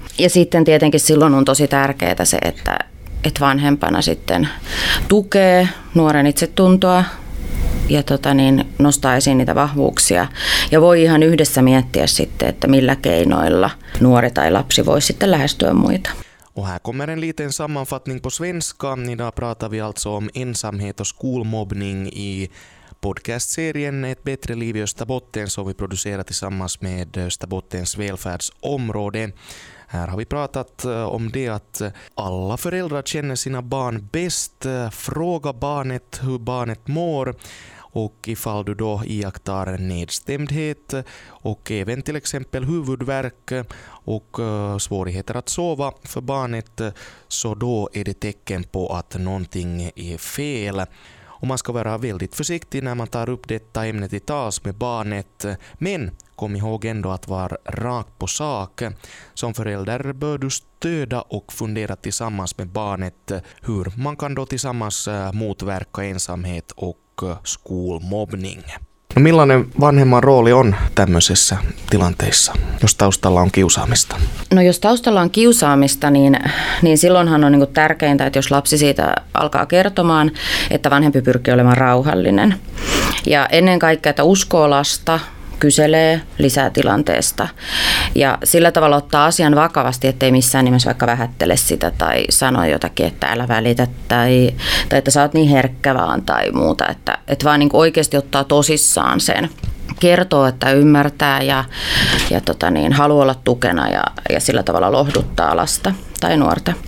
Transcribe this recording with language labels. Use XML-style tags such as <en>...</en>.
<fi>Ja sitten tietenkin silloin on tosi tärkeää se, että vanhempana sitten tukee nuoren itsetuntoa ja nostaa esiin niitä vahvuuksia ja voi ihan yhdessä miettiä sitten, että millä keinoilla nuori tai lapsi voi sitten lähestyä muita.</fi> <sv>Och här kommer en liten sammanfattning på svenska. Idag pratar vi alltså om ensamhet och skolmobbning i podcastserien Ett bättre liv i Österbotten som vi producerar tillsammans med Österbottens välfärdsområde. Här har vi pratat om det att alla föräldrar känner sina barn bäst. Fråga barnet hur barnet mår. Och ifall du då iakttar nedstämdhet och även till exempel huvudvärk och svårigheter att sova för barnet, så då är det tecken på att någonting är fel. Och man ska vara väldigt försiktig när man tar upp detta ämne till tals med barnet. Men kom ihåg ändå att vara rakt på sak. Som förälder bör du stöda och fundera tillsammans med barnet hur man kan då tillsammans motverka ensamhet och school mobbing.</sv> <fi>No millainen vanhemman rooli on tämmöisessä tilanteessa, jos taustalla on kiusaamista? No jos taustalla on kiusaamista, niin silloinhan on niin kuin tärkeintä, että jos lapsi siitä alkaa kertomaan, että vanhempi pyrkii olemaan rauhallinen. Ja ennen kaikkea, että uskoo lasta, kyselee lisää tilanteesta ja sillä tavalla ottaa asian vakavasti, ettei missään nimessä vaikka vähättele sitä tai sano jotakin, että älä välitä tai että sä oot niin herkkä vaan tai muuta, että vaan niin kuin oikeasti ottaa tosissaan sen, kertoo, että ymmärtää ja haluaa olla tukena ja sillä tavalla lohduttaa lasta tai nuorta.</fi>